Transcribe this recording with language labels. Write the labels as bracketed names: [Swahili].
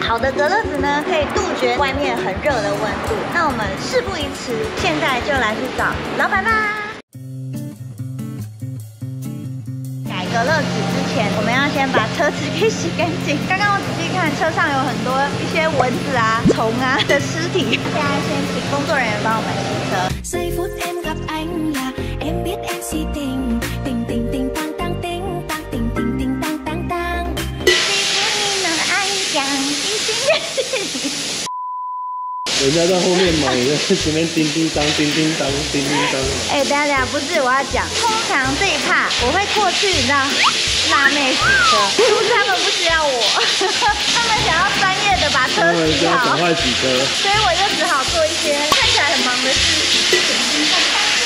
[Chinese] 好的隔热纸呢，可以杜绝外面很热的温度，那我们事不宜迟，现在就来去找老板吧。改隔热纸之前，我们要先把车子给洗干净。刚刚我仔细看，车上有很多一些蚊子啊、虫啊的尸体。现在先请工作人员帮我们洗车。 [Vietnamese] Giây phút em gặp anh là em biết em si tình, tình tình tình tăng tăng tình, tăng tình tình tình tăng tăng tăng. Giây phút em gặp anh chàng xin xin xin. [Chinese] 人家在后面忙，你在前面叮叮当、叮叮当、叮叮当。哎，等一下，不是我要讲，通常这一趴我会过去，你知道，辣妹洗车，不是他们不需要我，他们想要专业的把车洗好，他们要赶快洗车，所以我就只好做一些看起来很忙的事情。